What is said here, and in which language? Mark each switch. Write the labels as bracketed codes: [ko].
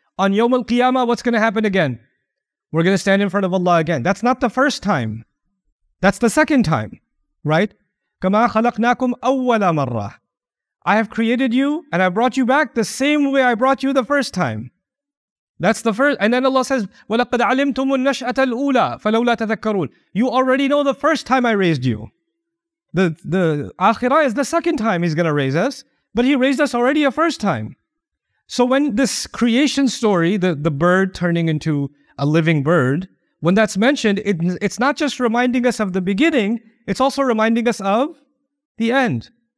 [en] On yawm al-qiyamah, what's going to happen again? We're going to stand in front of Allah again. That's not the first time. That's the second time. Right? [ar] كَمَا خَلَقْنَاكُمْ أَوَّلَ مَرَّةٍ. [en] I have created you and I brought you back the same way I brought you the first time. That's the first. And then Allah says, [ar] وَلَقَدْ عَلِمْتُمُ النَّشْأَةَ الْأُولَى فَلَوْلَا تَذَكَّرُونَ. [en] You already know the first time I raised you. The Akhirah is the second time He's going to raise us. But He raised us already a first time. So when this creation story, the bird turning into a living bird, when that's mentioned, it's not just reminding us of the beginning, it's also reminding us of the end.